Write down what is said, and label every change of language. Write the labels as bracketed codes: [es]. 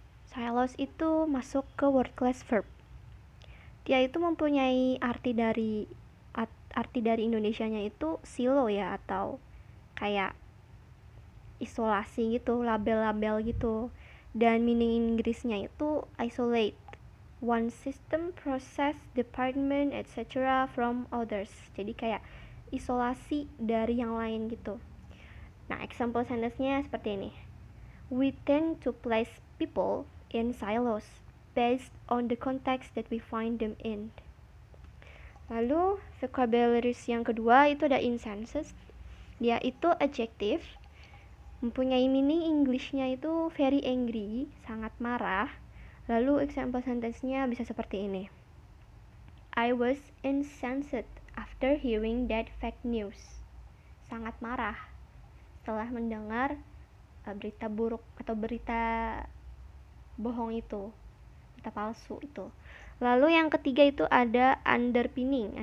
[id] Silos itu masuk ke word class verb. Dia itu mempunyai arti dari Indonesianya itu silo ya, atau kayak isolasi gitu, label-label gitu. [en] Dan meaning [id] Inggrisnya itu [en] isolate one system, process, department, etc. from others. [id] Jadi kayak isolasi dari yang lain gitu. Nah, example sentence-nya seperti ini. [en] We tend to place people in silos based on the context that we find them in. [id] Lalu, vocabulary yang kedua itu ada insensus. Dia itu adjective, mempunyai meaning English-nya itu [en] very angry, [id] sangat marah. Lalu, example sentence-nya bisa seperti ini. [en] I was incensed after hearing that fake news. [id] Sangat marah setelah mendengar berita buruk atau berita bohong itu, berita palsu itu. Lalu yang ketiga itu ada underpinning.